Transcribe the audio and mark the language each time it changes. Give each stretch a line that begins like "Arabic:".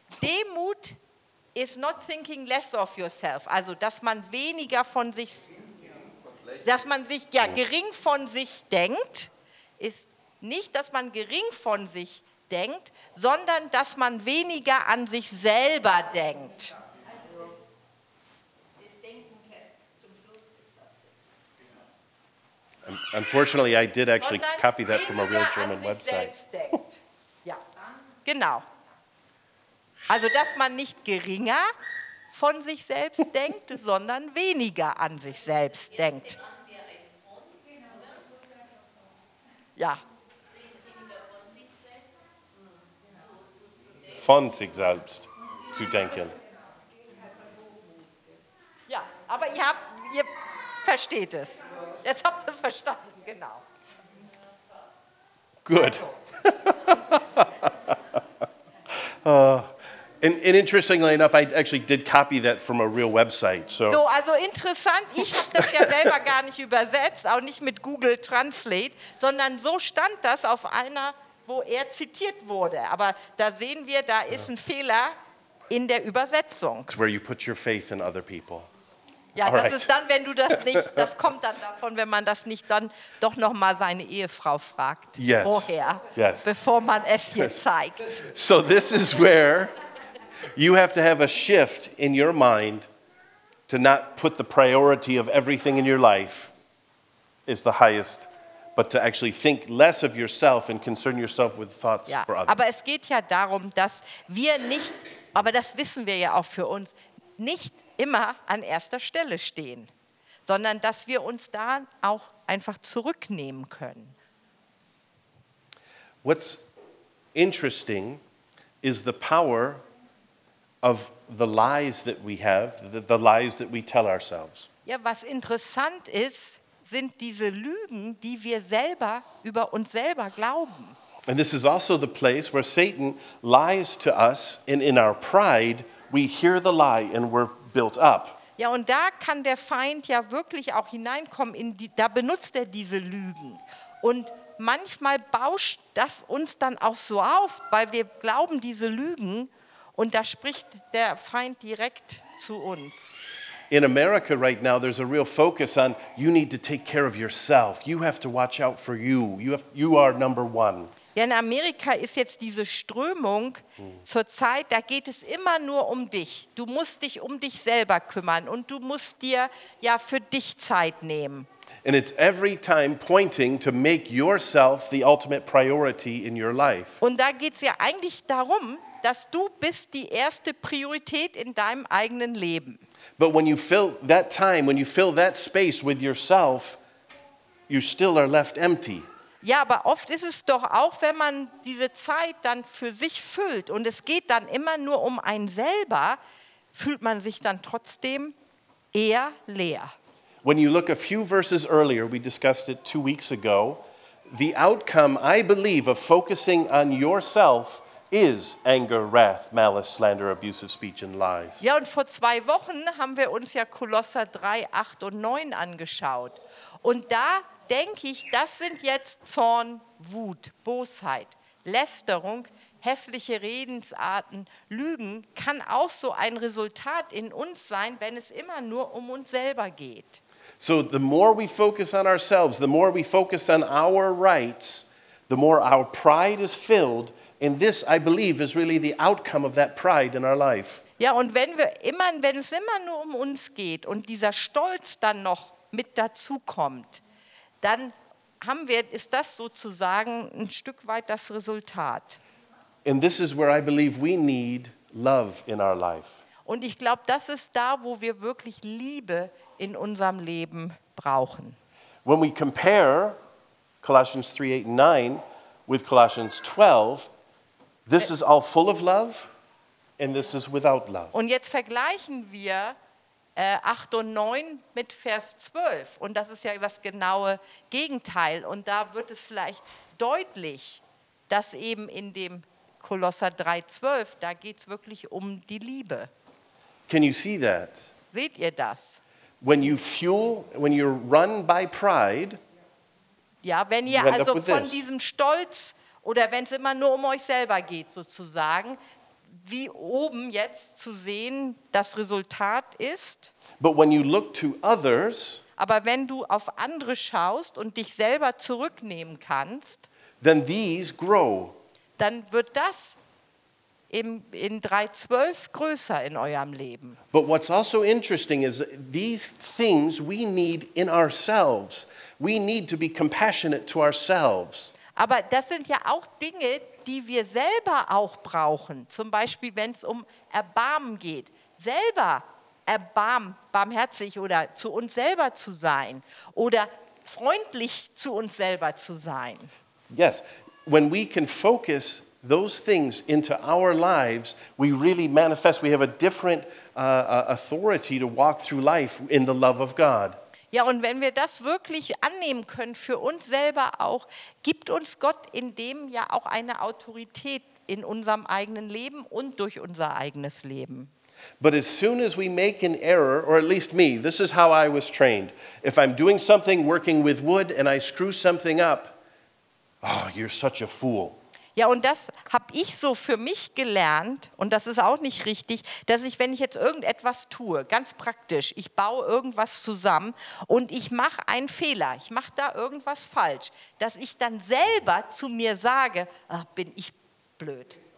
English: Demut is not thinking less of yourself.
German: Also, dass man weniger von sich, dass man sich ja gering von sich denkt, ist nicht, dass man gering von sich denkt, sondern dass man weniger an sich selber denkt.
English: Unfortunately, I did actually copy that from a real German website.
German: Ja, genau. Also, dass man nicht geringer von sich selbst denkt, sondern weniger an sich selbst denkt. Ja. Von sich selbst zu denken. Ja, aber ihr versteht es. Jetzt habt ihr es verstanden, genau.
English: Good. And interestingly enough, I actually did copy that from a real website. So
German: also interessant, ich habe das ja selber gar nicht übersetzt, auch nicht mit Google Translate, sondern so stand das auf einer, wo er zitiert wurde. Aber da sehen wir, da ist ein Fehler in der Übersetzung.
English: It's where you put your faith in other people.
German: Ja, all das right. Ist dann, wenn du das nicht, das kommt dann davon, wenn man das nicht dann doch noch mal seine Ehefrau fragt,
English: yes.
German: Woher,
English: yes.
German: Bevor man es hier yes. Zeigt.
English: So this is where you have to have a shift in your mind to not put the priority of everything in your life is the highest, but to actually think less of yourself and concern yourself with thoughts
German: ja.
English: For others.
German: Aber es geht ja darum, dass wir nicht, aber das wissen wir ja auch für uns, nicht immer an erster Stelle stehen, sondern dass wir uns da auch einfach zurücknehmen können.
English: What's interesting is the power of the lies that we have, the lies that we tell ourselves.
German: Ja, was interessant ist, sind diese Lügen, die wir selber über uns selber glauben.
English: And this is also the place where Satan lies to us, and in our pride, we hear the lie and we're built up.
German: Ja, und da kann der Feind ja wirklich auch hineinkommen in die, da benutzt er diese Lügen. Und manchmal bauscht das uns dann auch so auf, weil wir glauben diese Lügen und da spricht der Feind direkt zu uns.
English: In America right now there's a real focus on you need to take care of yourself. You have to watch out for you. You are number one.
German: Ja, in Amerika ist jetzt diese Strömung zur Zeit, da geht es immer nur um dich. Du musst dich um dich selber kümmern und du musst dir ja für dich Zeit nehmen.
English: And it's every time pointing to make yourself the ultimate priority in your life.
German: Und da geht es ja eigentlich darum, dass du bist die erste Priorität in deinem eigenen Leben.
English: But when you fill that time, when you fill that space with yourself, you still are left empty.
German: Ja, aber oft ist es doch auch, wenn man diese Zeit dann für sich füllt und es geht dann immer nur um einen selber, fühlt man sich dann trotzdem eher leer.
English: When you look a few verses earlier, we discussed it 2 weeks ago, the outcome, I believe, of focusing on yourself is anger, wrath, malice, slander, abusive speech and lies.
German: Ja, und vor 2 Wochen haben wir uns ja Kolosser 3, 8 und 9 angeschaut. Und da denke ich, das sind jetzt Zorn, Wut, Bosheit, Lästerung, hässliche Redensarten, Lügen, kann auch so ein Resultat in uns sein, wenn es immer nur um uns selber geht.
English: So the more we focus on ourselves, the more we focus on our rights, the more our pride is filled. And this, I believe, is really the outcome of that pride in our life.
German: Ja, und wenn es immer nur um uns geht und dieser Stolz dann noch mit dazu kommt, dann haben wir, ist das sozusagen ein Stück weit das Resultat.
English: And this is where I believe we need love in our life.
German: Und ich glaube, das ist da, wo wir wirklich Liebe in unserem Leben brauchen.
English: When we compare Colossians 3, 8 and 9 with Colossians 12, this is all full of love and this is without love.
German: Und jetzt vergleichen wir 8 und 9 mit Vers 12. Und das ist ja das genaue Gegenteil. Und da wird es vielleicht deutlich, dass eben in dem Kolosser 3, 12, da geht es wirklich um die Liebe.
English: Can you see that?
German: Seht ihr das?
English: When you fuel, when you run by pride,
German: ja, wenn ihr also von diesem Stolz oder wenn es immer nur um euch selber geht sozusagen, wie oben jetzt zu sehen, das Resultat ist.
English: But when you look to others,
German: aber wenn du auf andere schaust und dich selber zurücknehmen kannst,
English: then these grow.
German: Dann wird das in 3:12 größer in eurem Leben.
English: But what's also interesting is these things we need in ourselves. We need to be compassionate to ourselves.
German: Aber das sind ja auch Dinge, die wir selber auch brauchen. Zum Beispiel, wenn es um Erbarmen geht. Selber barmherzig oder zu uns selber zu sein. Oder freundlich zu uns selber zu sein.
English: Yes, when we can focus those things into our lives, we really manifest, we have a different authority to walk through life in the love of God.
German: Ja, und wenn wir das wirklich annehmen können für uns selber auch, gibt uns Gott in dem ja auch eine Autorität in unserem eigenen Leben und durch unser eigenes Leben.
English: But as soon as we make an error, or at least me, this is how I was trained. If I'm doing something, working with wood, and I screw something up, oh, you're such a fool.
German: Ja, und das habe ich so für mich gelernt, und das ist auch nicht richtig, dass ich, wenn ich jetzt irgendetwas tue, ganz praktisch, ich baue irgendwas zusammen und ich mache einen Fehler, ich mache da irgendwas falsch, dass ich dann selber zu mir sage, ach, bin ich blöd.